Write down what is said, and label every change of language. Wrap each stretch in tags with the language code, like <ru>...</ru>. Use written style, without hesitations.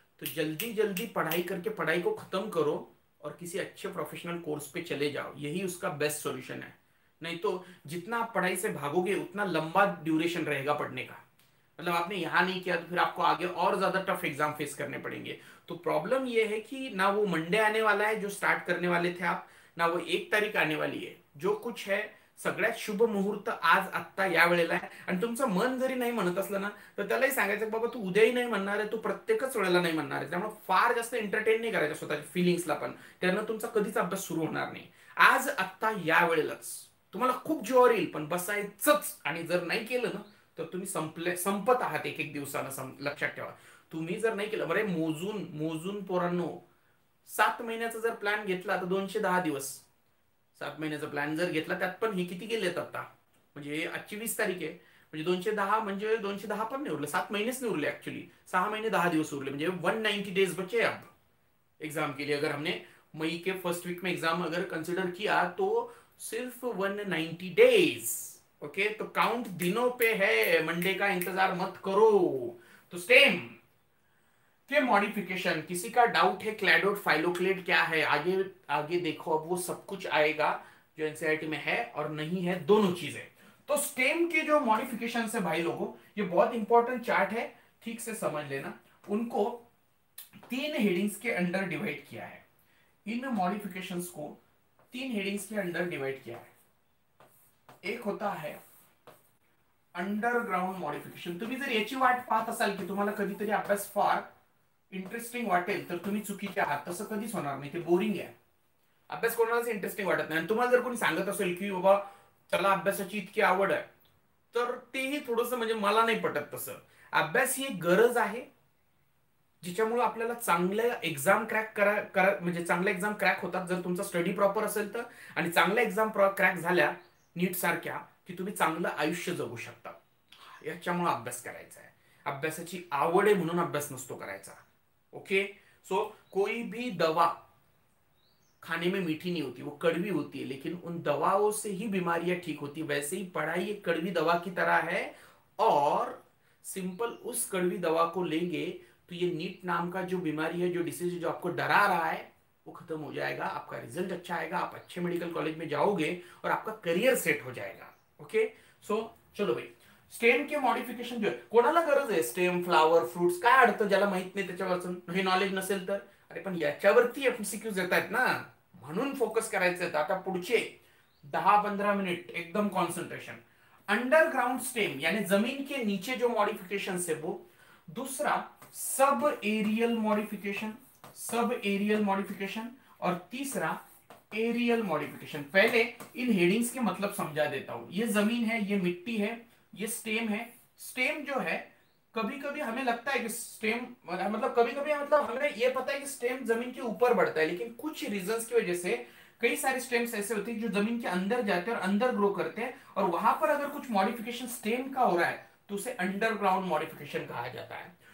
<hi>तो जल्दी जल्दी पढ़ाई करके पढ़ाई को खत्म करो और किसी अच्छे प्रोफेशनल कोर्स पे चले जाओ, यही उसका बेस्ट सॉल्यूशन है। नहीं तो जितना आप पढ़ाई से भागोगे उतना लंबा ड्यूरेशन रहेगा पढ़ने का, मतलब आपने यहाँ नहीं किया तो फिर आपको आगे और ज्यादा टफ एग्जाम फेस करने पड़ेंगे। तो प्रॉब्लम ये है कि ना वो मंडे आने वाला है जो स्टार्ट करने वाले थे आप, ना वो 1 तारीख आने वाली है,</hi> <mr>जो कुछ है सगळ्यात शुभ मुहूर्त आज आत्ता या वेळेला आहे, आणि तुमचं मन जरी नाही म्हणत असलं ना, तर त्यालाही सांगायचं बाबा तू उद्याही नाही म्हणणार आहे, तू प्रत्येकच वेळेला नाही म्हणणार आहे, त्यामुळे फार जास्त एंटरटेन नाही करायचं स्वतःच्या फिलिंग्सला पण, त्यानं तुमचा कधीच अभ्यास सुरू होणार नाही। आज आत्ता या वेळेलाच तुम्हाला खूप जोर येईल, पण बसायचंच, आणि जर नाही केलं ना तर तुम्ही संपले संपत आहात एक एक दिवसानं, लक्षात ठेवा। तुम्ही जर नाही केलं, बरे मोजून मोजून पोरांनो, 7 महिन्याचा जर प्लॅन घेतला तर 210 दिवस, 7 महिन्याचा प्लॅन जर घेतला, त्यात पण हे किती गेलेत आता, म्हणजे 28 तारीख आहे, म्हणजे 210, म्हणजे 210 पण नाही उरले, 7 महिनेच नाही उरले ऍक्च्युली, 6 महिने 10 दिवस उरले, म्हणजे</mr> <hi>190 डेज बचे अब एग्जाम के लिए. अगर हमने मई के फर्स्ट वीक में एग्जाम अगर कंसिडर किया तो सिर्फ 190 डेज. ओके, तो काउंट दिनों पे है, मंडे का इंतजार मत करो. तो सेम के मॉडिफिकेशन, किसी का डाउट है क्लैडोट फाइलोक्लेट क्या है, आगे आगे देखो, अब वो सब कुछ आएगा जो एनसीईआरटी में है और नहीं है, दोनों चीजें. तो स्टेम के जो मॉडिफिकेशन है भाई लोगों, ये बहुत इंपॉर्टेंट चार्ट है, ठीक से समझ लेना. उनको 3 हेडिंग्स के अंडर डिवाइड किया है, इन मॉडिफिकेशन को 3 हेडिंग्स के अंडर डिवाइड किया है. एक होता है अंडरग्राउंड मॉडिफिकेशन.</hi> <mr>तुम्ही जर याची वाट पाहत असाल की तुम्हाला कधीतरी अभ्यास फार इंटरेस्टिंग वाटेल, तर तुम्ही चुकीचे आहात. तसं कधीच होणार नाही, ते बोरिंग आहे, अभ्यास कोणालाच इंटरेस्टिंग वाटत नाही. आणि तुम्हाला जर कोणी सांगत असेल की बाबा त्याला अभ्यासाची इतकी आवड आहे, तर तेही थोडस म्हणजे मला नाही पटत तसं. अभ्यास ही एक गरज आहे जिच्यामुळे आपल्याला चांगले एक्झाम क्रॅक करा, म्हणजे चांगले एक्झाम क्रॅक होतात जर तुमचा स्टडी प्रॉपर असेल तर, आणि चांगला एक्झाम क्रॅक झाल्या नीट सारख्या की तुम्ही चांगलं आयुष्य जगू शकता. याच्यामुळे अभ्यास करायचा आहे, अभ्यासाची आवड आहे म्हणून अभ्यास नसतो करायचा.</mr> <hi>ओके, सो कोई भी दवा खाने में मीठी नहीं होती, वो कड़वी होती है, लेकिन उन दवाओं से ही बीमारियां ठीक होती. वैसे ही पढ़ाई एक कड़वी दवा की तरह है, और सिंपल उस कड़वी दवा को लेंगे तो ये नीट नाम का जो बीमारी है, जो डिसीज जो आपको डरा रहा है, वो खत्म हो जाएगा. आपका रिजल्ट अच्छा आएगा, आप अच्छे मेडिकल कॉलेज में जाओगे और आपका करियर सेट हो जाएगा. ओके, सो चलो भाई, स्टेम के मॉडिफिकेशन जो है,</hi> <mr>कोणाला गरज आहे स्टेम फ्लावर फ्रूट्स काय अर्थ ज्याला माहित नाही त्याच्यावरचं, हे नॉलेज नसेल तर, अरे पण याच्यावरती एमसीक्यूज येतात ना, म्हणून फोकस करायचं आहे. आता पुढचे 10-15 मिनिट एकदम कॉन्सन्ट्रेशन.</mr> <hi>अंडरग्राउंड स्टेम याने जमीन के नीचे जो मॉडिफिकेशन है वो. दूसरा sub aerial modification, sub aerial modification. और तीसरा एरियल मॉडिफिकेशन. पहले इन हेडिंग्स के मतलब समझा देता हूं. ये जमीन है, ये मिट्टी है, ये स्टेम है. स्टेम जो है, कभी कभी हमें लगता है कि स्टेम मतलब कभी कभी मतलब हमें ये पता है कि स्टेम जमीन के ऊपर बढ़ता है, लेकिन कुछ रीजंस की वजह से कई सारे स्टेम्स ऐसे होते हैं जो जमीन के अंदर जाते हैं और अंदर ग्रो करते हैं, और वहां पर अगर कुछ मॉडिफिकेशन स्टेम का हो रहा है तो उसे अंडरग्राउंड मॉडिफिकेशन कहा जाता है.</hi>